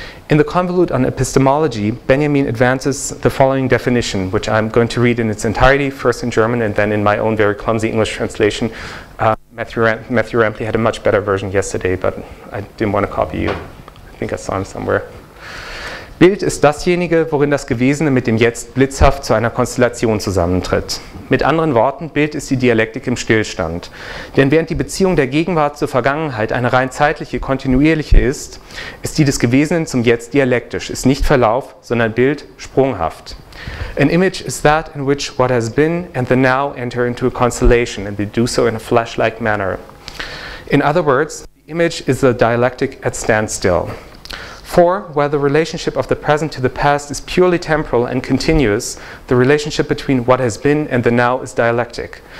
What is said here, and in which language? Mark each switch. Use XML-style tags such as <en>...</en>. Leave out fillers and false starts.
<en>In the convolute on epistemology, Benjamin advances the following definition, which I'm going to read in its entirety, first in German and then in my own very clumsy English translation. Matthew Rampley had a much better version yesterday, but I didn't want to copy you. I think I saw him somewhere.</en> <de>Bild ist dasjenige, worin das Gewesene mit dem Jetzt blitzhaft zu einer Konstellation zusammentritt. Mit anderen Worten, Bild ist die Dialektik im Stillstand. Denn während die Beziehung der Gegenwart zur Vergangenheit eine rein zeitliche, kontinuierliche ist, ist die des Gewesenen zum Jetzt dialektisch, ist nicht Verlauf, sondern Bild sprunghaft.</de> <en>An image is that in which what has been and the now enter into a constellation, and they do so in a flash-like manner. In other words, the image is the dialectic at standstill. For, while the relationship of the present to the past is purely temporal and continuous, the relationship between what has been and the now is dialectic.</en>